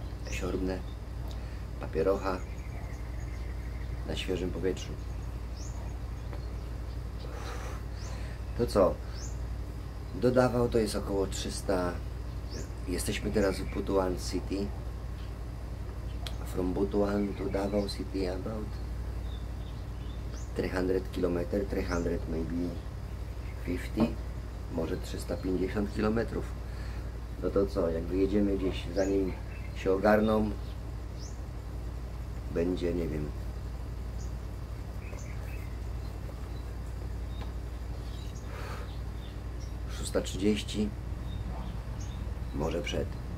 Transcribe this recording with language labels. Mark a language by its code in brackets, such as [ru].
[pl] Siorbnę, papierocha na świeżym powietrzu. To co, dodawał to jest około 300, jesteśmy teraz w Butuan City. [en] From Butuan to Davao City about 300 km, 300 maybe 50, [pl] może 350 km. No to co, jak wyjedziemy gdzieś, zanim się ogarną, będzie, nie wiem, 6:30, może przed.